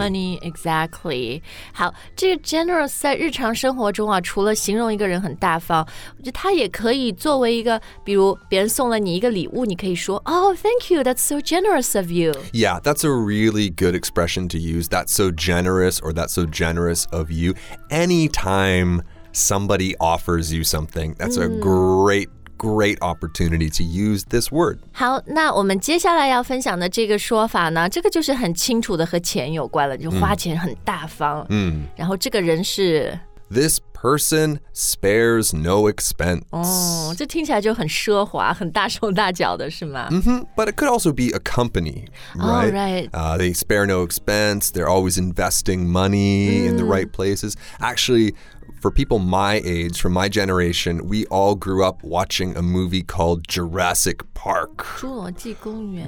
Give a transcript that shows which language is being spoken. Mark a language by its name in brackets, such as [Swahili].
[English] Money, exactly. [Chinese] 好，这个 generous 在日常生活中啊，除了形容一个人很大方，它也可以作为一个，比如别人送了你一个礼物，你可以说 [English] Oh, thank you, that's so generous of you. Yeah, that's a really good expression to use. That's so generous or that's so generous of you. Anytime somebody offers you something, that's a great opportunity to use this word. [Chinese] 好，那我们接下来要分享的这个说法呢，这个就是很清楚的和钱有关了，就花钱很大方。然后这个人是 [English] This person spares no expense. [Chinese] 哦，这听起来就很奢华，很大手大脚的是吗？ [English] But it could also be a company, right? Oh, right. They spare no expense, they're always investing money in the right places. Actually,For people my age, from my generation, we all grew up watching a movie called Jurassic Park. [Chinese] 侏罗纪公园